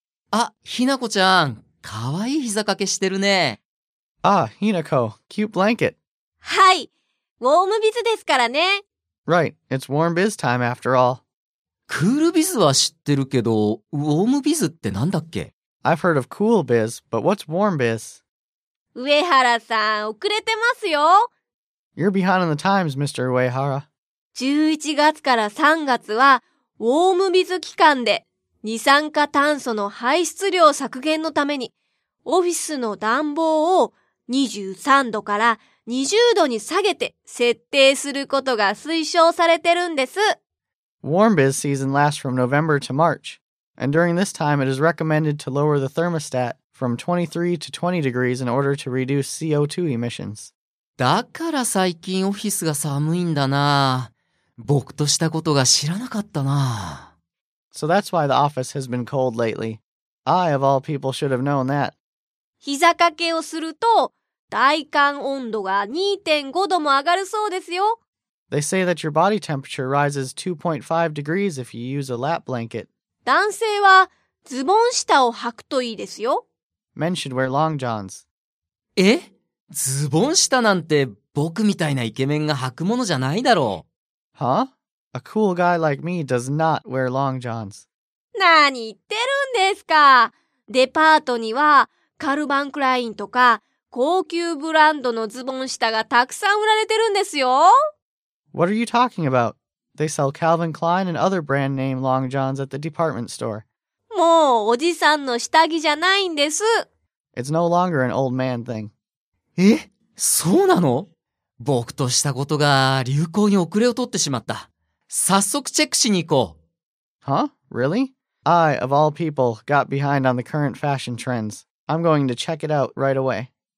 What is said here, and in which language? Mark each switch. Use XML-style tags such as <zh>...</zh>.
<ja>あ、ひなこちゃん、かわいい膝掛けしてるね。</ja> <en>あ、ひなこ、キュートブランケット。</en> <ja>はい、ウォームビズですからね。</ja> <en>Right, it's warm biz time after all.</en> <ja>クールビズは知ってるけど、ウォームビズってなんだっけ？</ja> <en>I've heard of cool biz, but what's warm biz?</en> <ja>上原さん、遅れてますよ。</ja> <en>You're behind on the times, Mr. 上原。</en> <ja>11月から3月はウォームビズ期間で、二酸化炭素の排出量削減のためにオフィスの暖房を23度から20度に下げて設定することが推奨されてるんです。</ja> <en>Warm biz season lasts from November to March, and during this time it is recommended to lower the thermostatfrom 23 to 20 degrees in order to reduce CO2 emissions.</en> <ja>だから最近オフィスが寒いんだな。僕としたことが知らなかったな。</ja> <en>So that's why the office has been cold lately. I, of all people, should have known that.</en> <ja>膝掛けをすると体感温度が 2.5 度も上がるそうですよ。</ja> <en>They say that your body temperature rises 2.5 degrees if you use a lap blanket.</en> <ja>男性はズボン下を履くといいですよ。</ja> <en>Men should wear long johns.</en> <ja>え？ズボン下なんて僕みたいなイケメンが履くものじゃないだろう。</ja> <en>Huh? A cool guy like me does not wear long johns.</en> <ja>何言ってるんですか。デパートにはカルバンクラインとか高級ブランドのズボン下がたくさん売られてるんですよ。</ja> <en>What are you talking about? They sell Calvin Klein and other brand name long johns at the department store.</en> <ja>もうおじさんの下着じゃないんです。</ja> <en>It's no longer an old man thing.</en> <ja>え？そうなの？僕としたことが流行に遅れを取ってしまった。早速チェックしに行こう。</ja> <en>Huh? Really? I, of all people, got behind on the current fashion trends. I'm going to check it out right away.</en>